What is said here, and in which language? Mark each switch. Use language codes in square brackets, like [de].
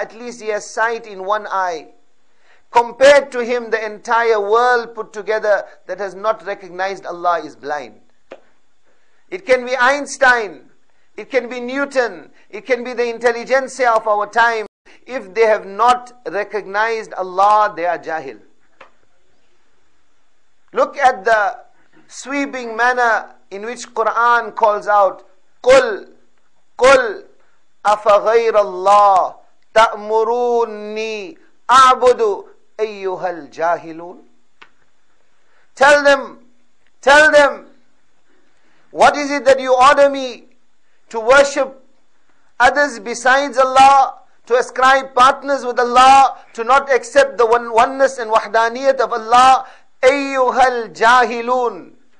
[en] At least he has sight in one eye. Compared to him, the entire world put together that has not recognized Allah is blind. It can be Einstein. It can be Newton. It can be the intelligentsia of our time. If they have not recognized Allah, they are jahil. Look at the sweeping manner in which Quran calls out, [ar] قُلْ قُلْ أَفَغَيْرَ اللَّهِ تَأْمُرُونِي أَعْبُدُ أَيُّهَا الْجَاهِلُونَ. [en] Tell them, what is it that you order me to worship others besides Allah, to ascribe partners with Allah, to not accept the oneness and wahdaniyat of Allah? [ar] Ayyuhal jahilun.